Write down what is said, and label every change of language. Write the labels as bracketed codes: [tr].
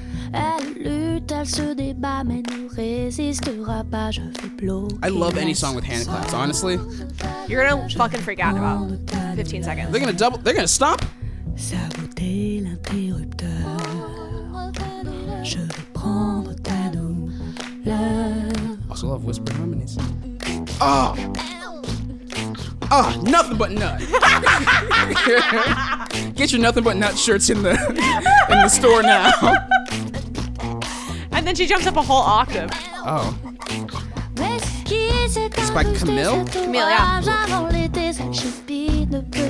[fr] Elle lutte, elle se débat, mais ne résistera pas. Je fais bloquer. [en] I love any song with hand claps, honestly. You're gonna fucking freak out in about 15 seconds. They're gonna double, they're gonna stop. [fr] Saboter l'interrupteur. Je veux prendre ta douleur. [en] Also love whisper harmonies. Oh! Oh, nothing but nut. Get your nothing but nut shirts in the store now. And then she jumps up a whole octave. Oh. It's by Camille? Camille, yeah.